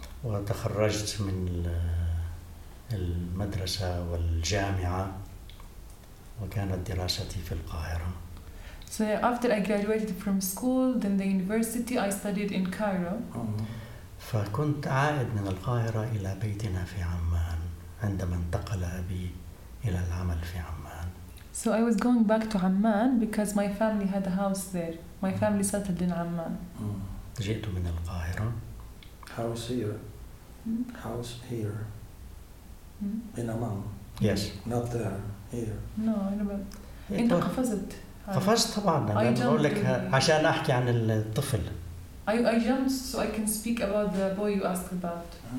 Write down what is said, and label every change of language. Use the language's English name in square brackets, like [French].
[Arabic] وتخرجت من المدرسة والجامعة وكانت دراستي في القاهرة. [English] So after I graduated from school, then the university, I studied in Cairo. [Arabic] فكنت عائد من القاهرة إلى بيتنا في عمان عندما انتقل أبي إلى العمل في عمان. [English] So I was going back to Amman because my family had a house there. My family settled in Amman. [Arabic] جئت من القاهرة. [English] House here. House here. In Amman. Yes. Not there. Here. No, in Amman. [Arabic] أنت قفزت. قفزت طبعا انا بقول لك عشان احكي عن الطفل. [English] I jumped so I can speak about the boy you asked about.